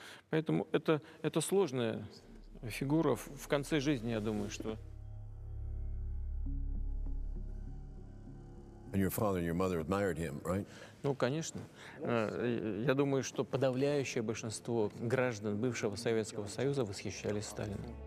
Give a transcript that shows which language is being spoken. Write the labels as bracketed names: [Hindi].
[Russian] Поэтому это сложное. Фигура в конце жизни, я думаю, что. [English] And your father and your mother admired him, right? [Russian] Ну, конечно. Я думаю, что подавляющее большинство граждан бывшего Советского Союза восхищались Сталином.